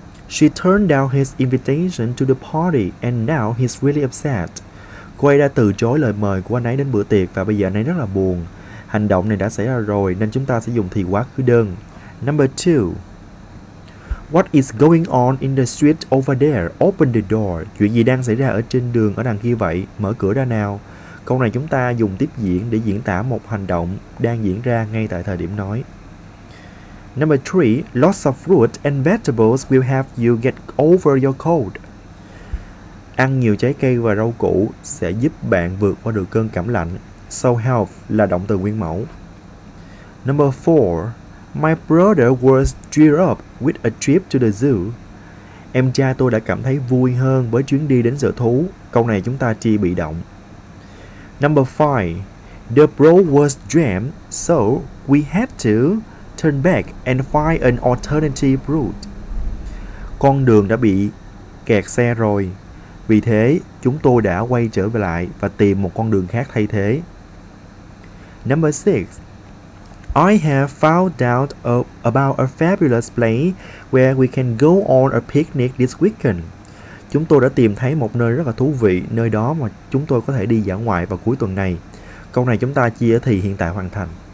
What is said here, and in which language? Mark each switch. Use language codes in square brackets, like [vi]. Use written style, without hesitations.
[en] She turned down his invitation to the party and now he's really upset. [vi] Cô ấy đã từ chối lời mời của anh ấy đến bữa tiệc và bây giờ anh ấy rất là buồn. Hành động này đã xảy ra rồi nên chúng ta sẽ dùng thì quá khứ đơn. [en] Number 2. What is going on in the street over there? Open the door. [vi] Chuyện gì đang xảy ra ở trên đường ở đằng kia vậy? Mở cửa ra nào. Câu này chúng ta dùng tiếp diễn để diễn tả một hành động đang diễn ra ngay tại thời điểm nói. [en] Number 3. Lots of fruit and vegetables will help you get over your cold. [vi] Ăn nhiều trái cây và rau củ sẽ giúp bạn vượt qua được cơn cảm lạnh. So help là động từ nguyên mẫu. [en] Number 4. My brother was cheered up with a trip to the zoo. [vi] Em trai tôi đã cảm thấy vui hơn với chuyến đi đến sở thú. Câu này chúng ta chi bị động. [en] Number 5. The bro was jammed, so we had to turn back and find an alternative route. [vi] Con đường đã bị kẹt xe rồi. Vì thế, chúng tôi đã quay trở về lại và tìm một con đường khác thay thế. [en] Number 6. I have found out about a fabulous place where we can go on a picnic this weekend. [vi] Chúng tôi đã tìm thấy một nơi rất là thú vị, nơi đó mà chúng tôi có thể đi dã ngoại vào cuối tuần này. Câu này chúng ta chia thì hiện tại hoàn thành.